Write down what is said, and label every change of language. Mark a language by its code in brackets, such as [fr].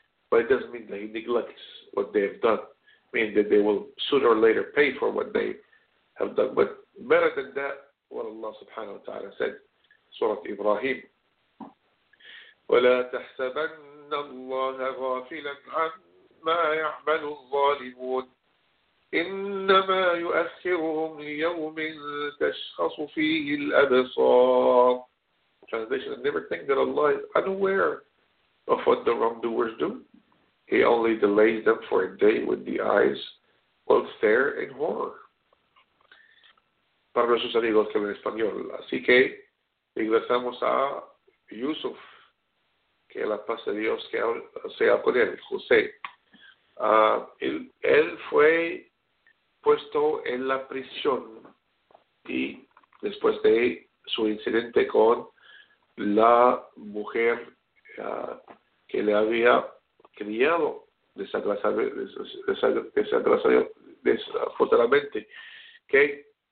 [en] But it doesn't mean that He neglects what they have done. I mean that they will sooner or later pay for what they have done. But better than that, what Allah subhanahu wa ta'ala said, Surah Ibrahim. [ar] وَلَا تَحْسَبَنَّ اللَّهَ غَافِلًا عَمَّا يَعْمَلُ الظَّالِمُونَ إنما يؤخرهم ليوم تشخص فيه الأبصار. [en] Translation: I never think that Allah is unaware of what the wrongdoers do. He only delays them for a day when the eyes will stare in horror. [es] Para nuestros amigos que hablan español, así que regresamos a Yusuf, que la paz de Dios que sea con él, José. Él fue puesto en la prisión y después de su incidente con la mujer que le había criado desagradablemente, que